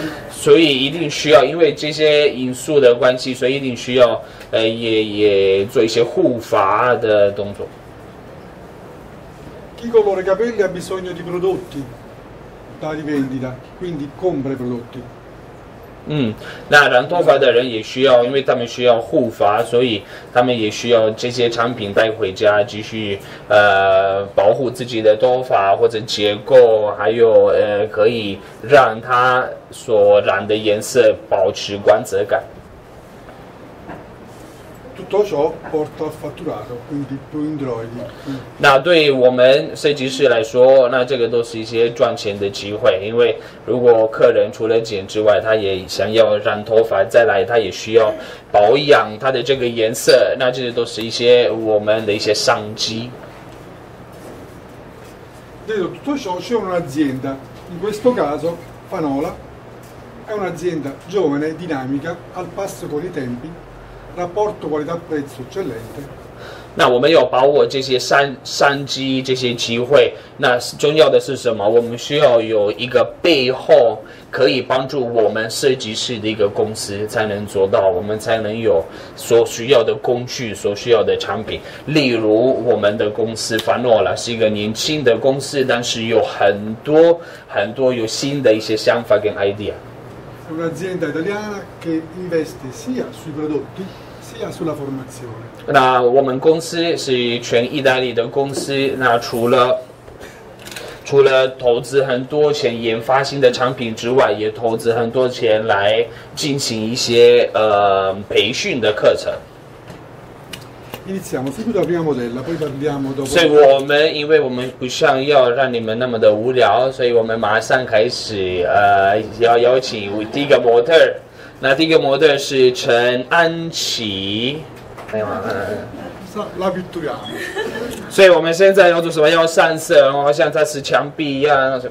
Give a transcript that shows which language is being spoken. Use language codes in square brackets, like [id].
[zh] 所以一定需要，因为这些因素的关系，所以一定需要，也做一些护发的动作。 [it] Chi colora i capelli ha bisogno di prodotti da rivendita, quindi compra i prodotti。 [zh] 那染头发的人也需要，因为他们需要护发，所以他们也需要这些产品带回家，继续保护自己的头发或者结构，还有可以让他所染的颜色保持光泽感。 [it] Tutto ciò porta al fatturato, quindi più introiti. [zh] 那对我们设计师来说，那这个都是一些赚钱的机会，因为如果客人除了剪之外，他也想要染头发，再来他也需要保养他的这个颜色，那这些都是一些我们的一些商机。 [it] Dietro tutto ciò c'è un'azienda, in questo caso Fanola, è un'azienda giovane, dinamica, al passo con i tempi. Rapporto qualità-prezzo eccellente. [zh] 那我们要把握这些商机、这些机会。那重要的是什么？我们需要有一个背后可以帮助我们设计师的一个公司，才能做到。我们才能有所需要的工具、所需要的产品。例如，我们的公司凡诺拉是一个年轻的公司，但是有很多很多有新的一些想法跟 idea。 [it] È un'azienda italiana che investe sia sui prodotti sia sulla formazione. [zh] 那我们公司是全意大利的公司。那除了投资很多钱研发新的产品之外，也投资很多钱来进行一些培训的课程。 [it] Iniziamo subito la prima modella, poi parliamo dopo. [zh] 所以我们因为我们不想要让你们那么的无聊，所以我们马上开始要邀请第一个模特。那第一个模特是陈安琪。没有啊。 [it] La pittura。 [zh] 所以我们现在要做什么？要上色，然后像在是墙壁一样。